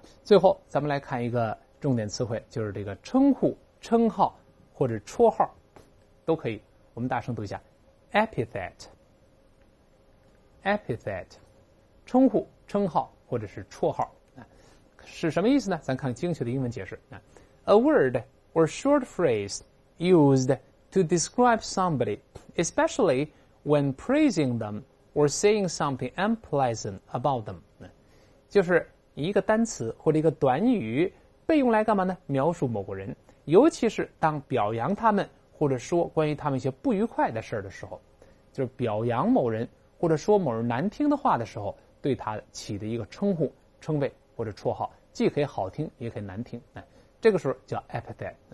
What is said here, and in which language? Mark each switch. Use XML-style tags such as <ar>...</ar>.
<zh>最后咱们来看一个重点词汇，就是这个称呼、称号或者绰号都可以，我们大声读一下epithet， 称呼、称号或者是绰号，是什么意思呢？咱看精确的英文解释。</zh> <en>A word or short phrase used to describe somebody, especially when praising them or saying something unpleasant about them。</en> <zh>就是一个单词或者一个短语被用来干嘛呢？描述某个人，尤其是当表扬他们或者说关于他们一些不愉快的事的时候，就是表扬某人或者说某人难听的话的时候，对他起的一个称呼、称谓或者绰号，既可以好听也可以难听，这个时候叫 epithet。</zh>